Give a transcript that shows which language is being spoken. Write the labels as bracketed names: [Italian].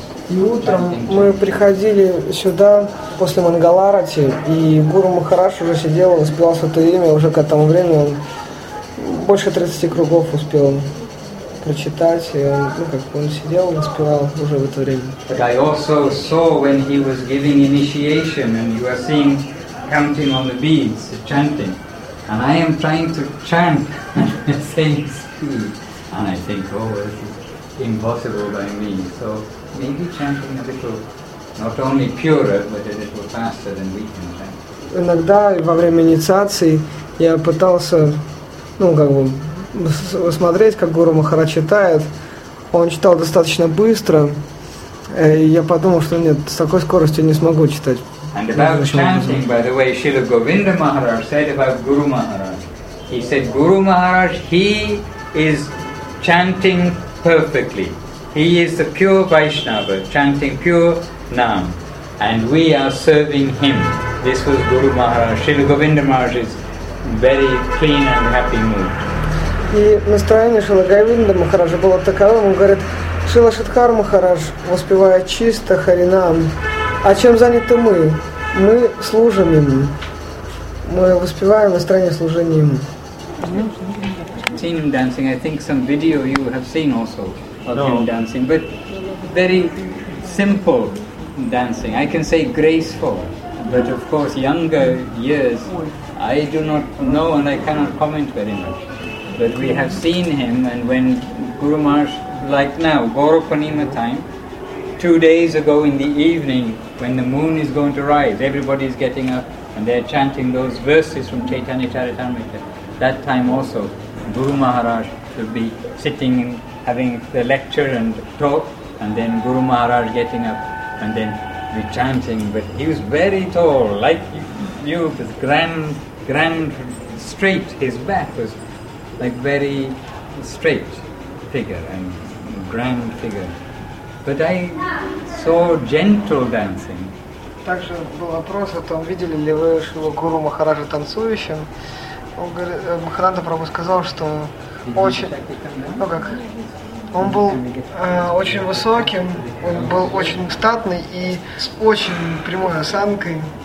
[Russian] И утром мы приходили сюда после Мангаларати, и Гуру Махарадж уже сидел, успел святое имя, уже к этому времени он больше 30 кругов успел прочитать, и он, ну, как он сидел, он успевал уже в это время. [English] But I also saw when he was giving initiation, and you are seeing counting on the beads, the chanting, and I am trying to chant at the same speed, and I think, oh, impossible by me, so maybe chanting a little, not only purer, but a little faster than we can chant. [Russian] Иногда во время инициации я пытался, ну, как бы, смотреть, как Гуру Махарадж читает. Он читал достаточно быстро, и я подумал, что нет, с такой скоростью не смогу читать. [English] And about chanting, by the way, Srila Govinda Maharaj said about Guru Maharaj. He said, Guru Maharaj, he is chanting perfectly. He is the pure Vaishnava, chanting pure Naam. And we are serving him. This was Guru Maharaj. Srila Govinda Maharaj's very clean and happy mood. [Russian] И настроение Шрила Говинда Махараджа было таковым, он говорит, Шрила Шадхар Махарадж воспевает чисто Харинам. А чем заняты мы? Мы служим ему. Мы воспеваем настроение служения ему. [English] Seen him dancing, I think some video you have seen also of him dancing, but very simple dancing. I can say graceful, but of course younger years, I do not know and I cannot comment very much. But we have seen him, and when Guru Maharaj, like now, Gauropanima time, 2 days ago in the evening, when the moon is going to rise, everybody is getting up and they are chanting those verses from Chaitanya Charitamrita. That time also, Guru Maharaj would be sitting and having the lecture and talk, and then Guru Maharaj getting up and then be chanting. But he was very tall, like you, this grand, straight, his back was like very straight figure and grand figure. But I saw gentle dancing. [Russian] Также был вопрос о том, видели ли вы Шрилу Гуру Махараджа танцующим. Он говорит, Махарада Прабху сказал, что очень, ну как, он был очень высоким, он был очень статный и с очень прямой осанкой.